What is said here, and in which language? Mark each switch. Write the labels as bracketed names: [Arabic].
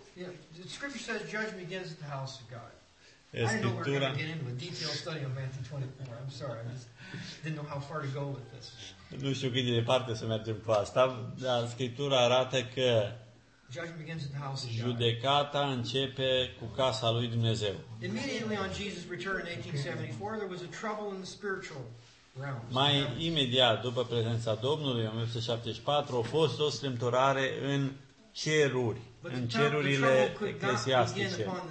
[English] Yeah, the scripture says judgment begins at the house of God. Escritura. I know we're going to get into a detailed study of Matthew 24. I'm sorry, I just didn't know how far to go with this. [Romanian] Nu știu cât de departe să mergem cu asta, dar Scriptura arată că [English] judgment begins at the house of God. [Romanian] Judecata începe cu casa lui Dumnezeu. [English] Immediately on Jesus' return in 1874, there was a trouble in the spiritual realm. [Romanian] Mai imediat după prezența Domnului în 1874, a fost o strâmtorare în ceruri, în cerurile eclesiastice.